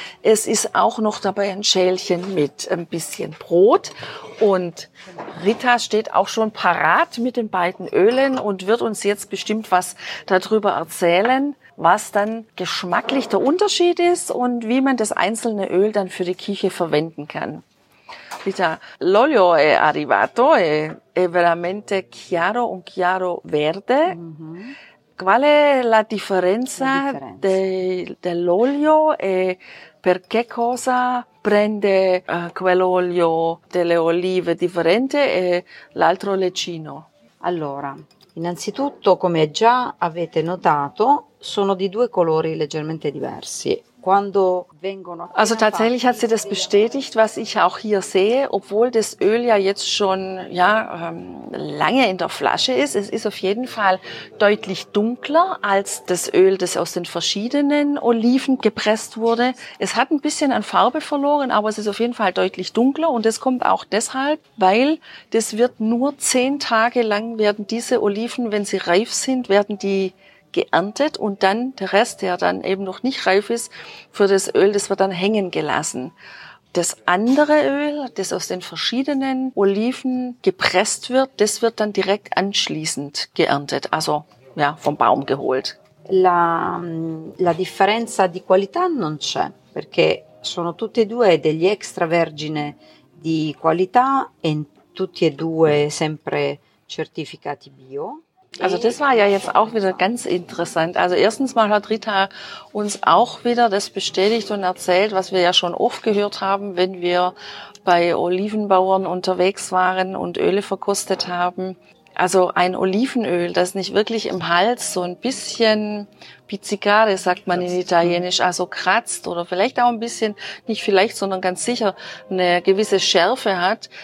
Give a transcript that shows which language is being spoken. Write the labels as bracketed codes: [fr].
[de] Es ist auch noch dabei ein Schälchen mit ein bisschen Brot. Und Rita steht auch schon parat mit den beiden Ölen und wird uns jetzt bestimmt was darüber erzählen, was dann geschmacklich der Unterschied ist und wie man das einzelne Öl dann für die Küche verwenden kann. [it] Rita, l'olio è arrivato, è veramente chiaro, un chiaro verde. Qual è la differenza dell'olio e per che cosa prende quell'olio delle olive differente e l'altro leccino? Allora, innanzitutto, come già avete notato, sono di due colori leggermente diversi. Quando vengono [de] Also tatsächlich hat sie das bestätigt, was ich auch hier sehe, obwohl das Öl ja jetzt schon lange in der Flasche ist. Es ist auf jeden Fall deutlich dunkler als das Öl, das aus den verschiedenen Oliven gepresst wurde. Es hat ein bisschen an Farbe verloren, aber es ist auf jeden Fall deutlich dunkler und das kommt auch deshalb, weil das wird nur 10 Tage lang werden diese Oliven, wenn sie reif sind, werden die geerntet und dann der Rest, der dann eben noch nicht reif ist, für das Öl, das wird dann hängen gelassen. Das andere Öl, das aus den verschiedenen Oliven gepresst wird, das wird dann direkt anschließend geerntet, also ja, vom Baum geholt. [it] La differenza di qualità non c'è, perché sono tutte e due degli extravergine di qualità e tutti e due sempre certificati bio. [de] Also das war ja jetzt auch wieder ganz interessant. Also erstens mal hat Rita uns auch wieder das bestätigt und erzählt, was wir ja schon oft gehört haben, wenn wir bei Olivenbauern unterwegs waren und Öle verkostet haben. Also ein Olivenöl, das nicht wirklich im Hals so ein bisschen pizzicare, sagt man in Italienisch, also kratzt oder vielleicht auch ein bisschen, nicht vielleicht, sondern ganz sicher, eine gewisse Schärfe hat.